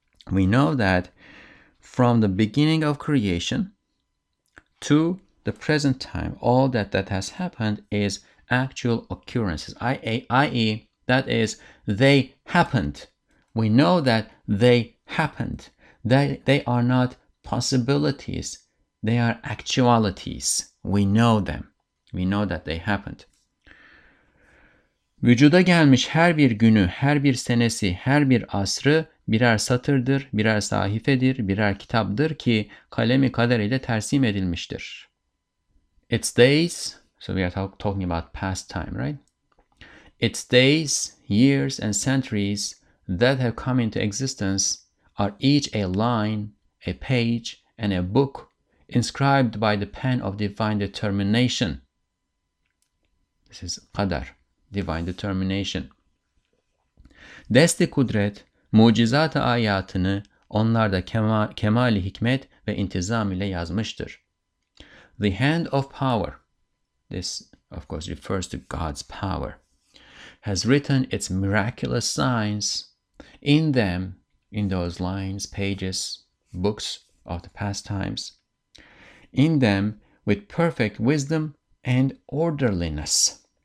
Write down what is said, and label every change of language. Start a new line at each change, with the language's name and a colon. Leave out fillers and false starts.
English: We know that from the beginning of creation to the present time, all that has happened is actual occurrences, i.e. that is, they happened. We know that they happened. They are not possibilities. They are actualities. We know them. We know that they happened.
Turkish: Vücuda gelmiş her bir günü, her bir senesi, her bir asrı birer satırdır, birer sahifedir, birer kitaptır ki kalemi kader ile tersim edilmiştir.
English: Its days, so we are talking about past time, right? Its days, years, and centuries that have come into existence are each a line, a page, and a book inscribed by the pen of divine determination. This is Qadar, divine determination. Dest-i kudret, mucizat-ı ayatını onlarda kemal-i hikmet ve intizam ile yazmıştır. The hand of power, this of course refers to God's power, has written its miraculous signs in them, in those lines, pages, books of the past times, in them with perfect wisdom and orderliness.